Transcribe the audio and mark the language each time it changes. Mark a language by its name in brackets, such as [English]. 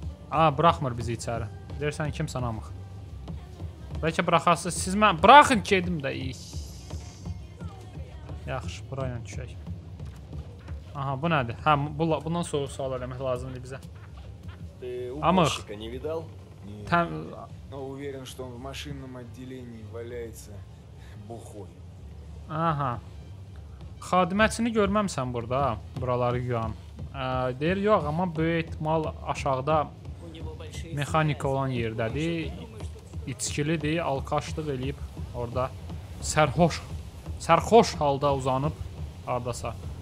[Azerbaijani] Aa, bıraxmır bizi içəri. Deyirsən, kim sən amıq? Bəlkə bıraxasınız, siz mən... Bıraxın ki, edim də, iyyy. Yaxşı, burayla düşək. Aha, bu nədir? Hə, bundan sonra sual eləmək lazımdır bizə. Amıq. Təm... [Russian] No, uverin, что он в машинном отделении валяется бухой. [Azerbaijani] Aha. Xadiməçini görməmsən burada, buraları yuyan. Deyir, yox, amma böyük ehtimal aşağıda mexanika olan yerdədir. İçkilidir, alkaşlıq eləyib orada sərxoş sərxoş halda uzanıb ardasa.